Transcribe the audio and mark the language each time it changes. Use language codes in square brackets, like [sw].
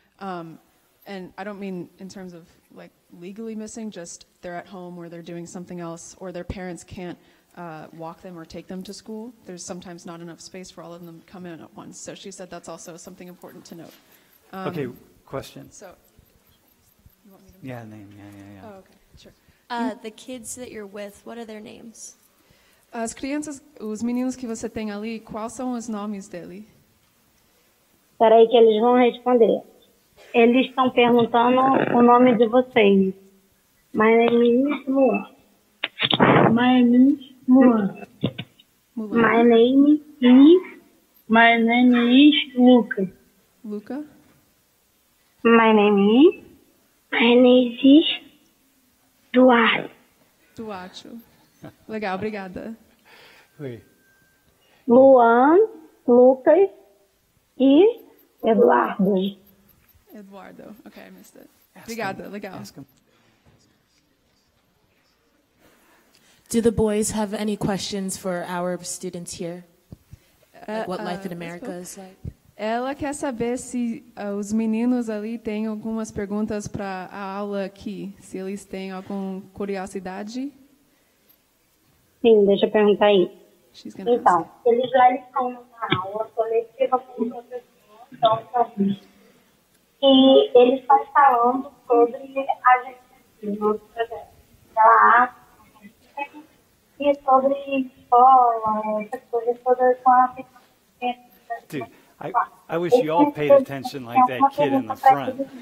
[en] And I don't mean in terms of like legally missing, just they're at home or they're doing something else or their parents can't walk them or take them to school. There's sometimes not enough space for all of them to come in at once. So she said that's also something important to note. Okay, question. So, you want me to? Yeah, name, yeah. Oh, okay, sure. The kids that you're with, what are their names? [pt] As crianças, os meninos que você tem ali, quais são os nomes dele? Espera aí que eles vão responder. Eles estão perguntando o nome de vocês. [en] My name is Mua. My name is Mua. My name is... My name is Luca. Luca? My name is... My name is... Duarte. [pt] Duarte. Legal, obrigada. Oi. Luan, Lucas e Eduardo. [en] Eduardo. Okay, I missed it. [pt] Obrigada, legal. [en] Ask him. Do the boys have any questions for our students here? Like what life in America is like? [pt] Ela quer saber se os meninos ali têm algumas perguntas para a aula aqui, se eles têm alguma curiosidade. Sim, deixa eu perguntar aí. [en] She's gonna [pt] então, [en] ask. [pt] Eles já estão numa aula coletiva com o professor, e ele está falando sobre a gente no projeto da arte, e sobre escola, essas coisas todas com a pessoa. [en] I wish you all paid attention like that kid in the front.